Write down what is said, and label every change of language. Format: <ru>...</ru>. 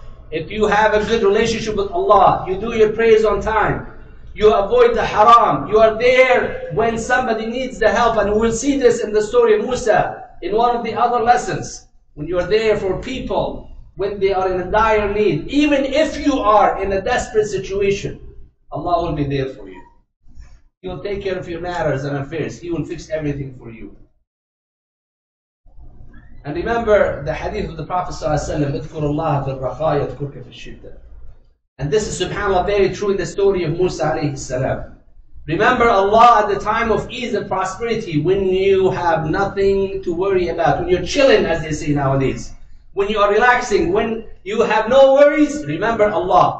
<en>If you have a good relationship with Allah, you do your prayers on time, you avoid the haram, you are there when somebody needs the help, and we will see this in the story of Musa in one of the other lessons. When you are there for people when they are in a dire need, even if you are in a desperate situation, Allah will be there for you. He will take care of your matters and affairs. He will fix everything for you. And remember the hadith of the Prophet ﷺ,</en> <ar>اذكر الله في الرخاء يذكرك في الشدة.</ar> <en>And this is subhanAllah very true in the story of Musa alayhi salam. Remember Allah at the time of ease and prosperity, when you have nothing to worry about, when you're chilling, as they say nowadays, when you are relaxing, when you have no worries, remember Allah.</en>